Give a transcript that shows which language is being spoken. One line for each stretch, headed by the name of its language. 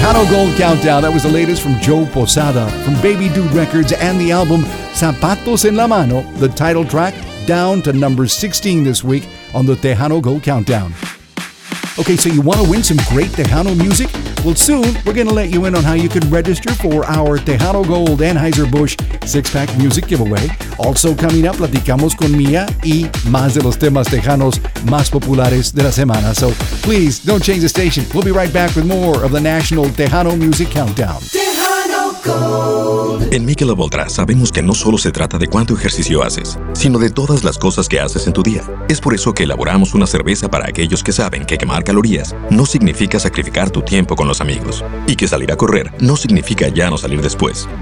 English: Gold Countdown, that was the latest from Joe Posada from Baby Dude Records and the album Zapatos en la Mano, the title track, down to number 16 this week on the Tejano Gold Countdown. Okay, so you want to win some great Tejano music? Well, soon we're going to let you in on how you can register for our Tejano Gold Anheuser-Busch six-pack music giveaway. Also coming up,
Spanish: platicamos con Mia y más de los temas tejanos más populares de la semana.
English: So please, don't change the station. We'll be right back with more of the National Tejano Music Countdown. Tejano Gold.
Spanish: En Michelob Ultra sabemos que no solo se trata de cuánto ejercicio haces, sino de todas las cosas que haces en tu día. Es por eso que elaboramos una cerveza para aquellos que saben que quemar calorías no significa sacrificar tu tiempo con los amigos y que salir a correr no significa ya no salir después.